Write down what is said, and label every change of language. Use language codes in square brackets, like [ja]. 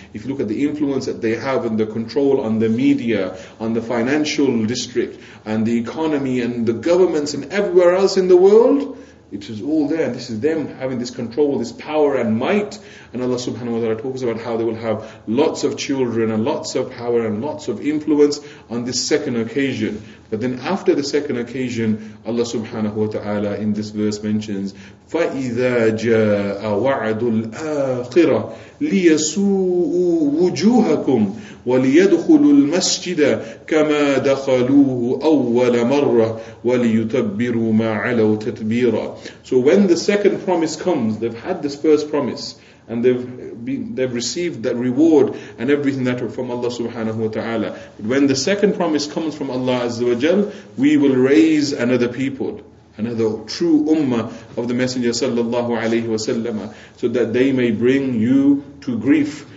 [en] If you look at the influence that they have and the control on the media, on the financial district, and the economy, and the governments, and everywhere else in the world, it is all there. This is them having this control, this power and might. And Allah subhanahu wa ta'ala talks about how they will have lots of children and lots of power and lots of influence on this second occasion. But then after the second occasion, Allah subhanahu wa ta'ala in this verse mentions, [ar] فَإِذَا جَاءَ وَعَدُ الْآخِرَةِ لِيَسُوءُوا وُجُوهَكُمْ وَلِيَدْخُلُوا الْمَسْجِدَ كَمَا دَخَلُوهُ أَوَّلَ مَرَّةِ وَلِيُتَبِّرُوا مَا عَلَوْ تَتْبِيرًا. [en] So when the second promise comes, they've had this first promise, and they've received that reward and everything that are from Allah subhanahu wa ta'ala. But when the second promise comes from Allah azza wa jal, we will raise another people, another true ummah of the Messenger sallallahu alayhi wa sallam, so that they may bring you to grief.